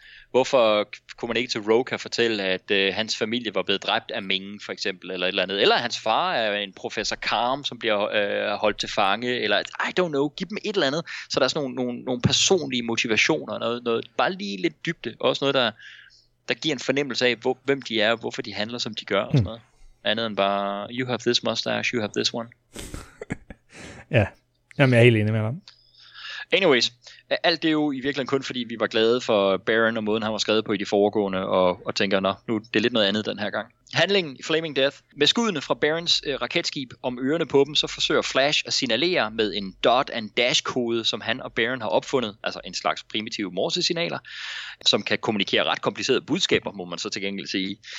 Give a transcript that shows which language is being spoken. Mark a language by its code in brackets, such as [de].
[da] Hvorfor kunne man ikke til Roka fortælle, at hans familie var blevet dræbt af Ming, for eksempel, eller et eller andet. Eller hans far er en professor Karm, som bliver holdt til fange, eller [en] I don't know, [da] giv dem et eller andet. Så der er sådan nogle personlige motivationer, noget bare lige lidt dybde, også noget, der giver en fornemmelse af, hvem de er, hvorfor de handler, som de gør, og sådan noget. Andet end bare, [en] you have this mustache, you have this one. [da] Ja, jamen, jeg er helt enig med dem. Anyways, alt det er jo i virkeligheden kun, fordi vi var glade for Baron og måden, han var skrevet på i de foregående, og tænker, nå, nu det er lidt noget andet den her gang. Handlingen i Flaming Death. Med skuddene fra Barons raketskib om ørerne på dem, så forsøger Flash at signalere med en dot and dash kode, som han og Baron har opfundet, altså en slags primitive morsesignaler, som kan kommunikere ret komplicerede budskaber, må man så til gengæld sige.